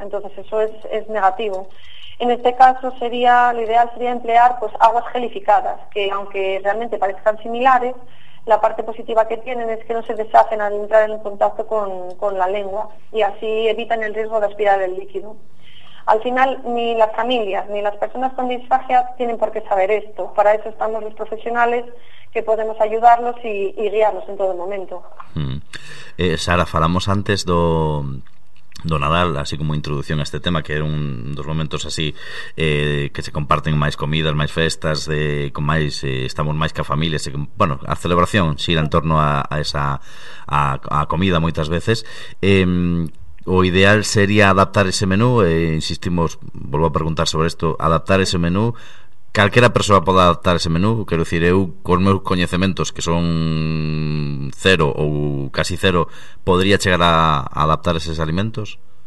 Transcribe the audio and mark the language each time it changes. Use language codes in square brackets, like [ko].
[es] Entonces, eso es negativo. En este caso, lo ideal sería emplear pues aguas gelificadas, que aunque realmente parezcan similares, la parte positiva que tienen es que no se deshacen al entrar en contacto con la lengua, y así evitan el riesgo de aspirar el líquido. Al final, ni las familias ni las personas con disfagia tienen por qué saber esto. Para eso estamos los profesionales, que podemos ayudarlos y guiarlos en todo momento. [gl] Sara, falamos antes do Nadal, así como introducción a este tema, que eran dos momentos así que se comparten máis comidas, máis festas, estamos máis que a familia, así que, bueno, a celebración xira en torno a comida moitas veces. O ideal sería adaptar ese menú, insistimos, volvo a preguntar sobre isto, adaptar ese menú. Calquera persoa pode adaptar ese menú, quero dicir, eu con meus coñecementos, que son cero ou casi cero, podría chegar a adaptar eses alimentos?